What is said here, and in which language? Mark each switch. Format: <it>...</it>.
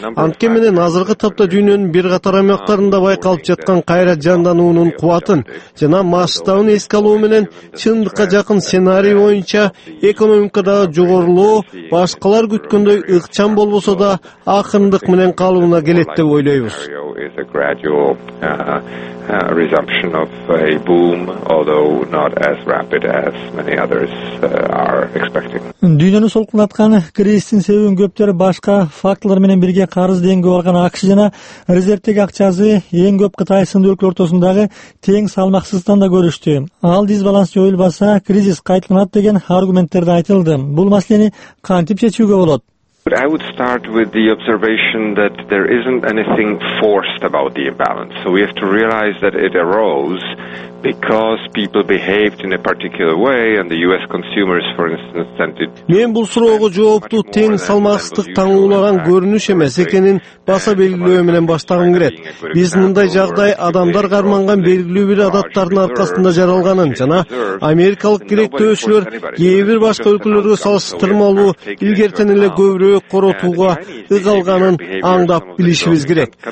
<ky>Анткени менен азыркы тапта дүйнөнүн бир катар аймактарында байкалып жаткан кайра жандануунун кубатын жана масштабын эске алуу менен чындыкка жакын сценарий боюнча экономикадагы жогорулоо башкалар күткөндөй ыкчам болбосо да акырындык менен калыбына келет деп ойлойбуз.</ky> <en>Resumption of a boom, although not as rapid as many others are expecting.</en> <ky>Дүйнөнү солкунаткан кризистин себебин көптөр башка фактылар менен бирге карыз деңгээли алган АКШ жана резервдик акчасы эң көп Кытай сынды өлкө ортосундагы тең салмаксыздыктан да көрүштү. Ал дисбаланс жоюлбаса кризис кайталанат деген аргументтер да айтылды. Бул маселени кантип чечүүгө болот?</ky> <en>I would start with the observation that there isn't anything forced about the imbalance. So we have to realize that it arose because people behaved in a particular way and the US consumers for instance tended.</en> <ky>Мен бул суроого жоопту тең салмактык таңуулаган көрүнүш эмес экенин баса белгилөө менен баштагым келет. Биз мындай жагдай адамдар карманган белгилүү бир адаттардын аркасында жаралганын жана Америкалык иликтөөчүлөр кээ бир башка өлкөлөргө салыштырмалуу илгертен эле көбүрөөк коротууга ыгалганын аңдап билишибиз керек.</ky>